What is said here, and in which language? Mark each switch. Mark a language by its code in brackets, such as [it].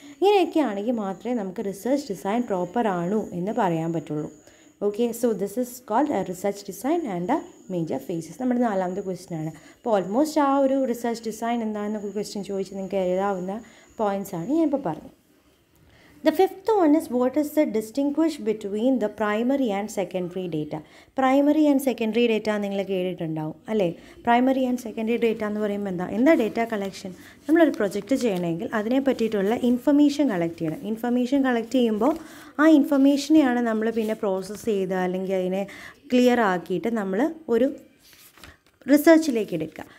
[ml] ഇങ്ങനെയൊക്കെയാണെങ്കിൽ മാത്രമേ നമുക്ക് research design proper ആണോ എന്ന് പറയാൻ പറ്റുള്ളൂ. [en] Okay, so this is called a research design and a major phases. [ml] നമ്മുടെ നാലാമത്തെ ക്വസ്റ്റ്യൻ ആണ്. അപ്പോൾ ഓൾമോസ്റ്റ് ആ ഒരു റിസർച്ച് ഡിസൈൻ എന്താണെന്നൊക്കെ ക്വസ്റ്റ്യൻ ചോദിച്ച് നിങ്ങൾക്ക് എഴുതാവുന്ന പോയിൻറ്റ്സ് ആണ് ഞാൻ ഇപ്പോൾ പറഞ്ഞത്. [en] The fifth one is, what is the distinguish between the primary and secondary data? [ml] Primary and secondary data നിങ്ങൾക്ക് കേട്ടിട്ടുണ്ടാവും അല്ലേ? പ്രൈമറി ആൻഡ് സെക്കൻഡറി ഡേറ്റ എന്ന് പറയുമ്പോൾ എന്താ എന്താ ഡേറ്റ കളക്ഷൻ? നമ്മളൊരു പ്രൊജക്റ്റ് ചെയ്യണമെങ്കിൽ അതിനെ പറ്റിയിട്ടുള്ള ഇൻഫർമേഷൻ കളക്ട് ചെയ്യണം. ഇൻഫർമേഷൻ കളക്ട് ചെയ്യുമ്പോൾ ആ ഇൻഫർമേഷനെയാണ് നമ്മൾ പിന്നെ പ്രോസസ്സ് ചെയ്ത് അല്ലെങ്കിൽ അതിനെ ക്ലിയർ ആക്കിയിട്ട് നമ്മൾ ഒരു റിസർച്ചിലേക്ക് എടുക്കുക.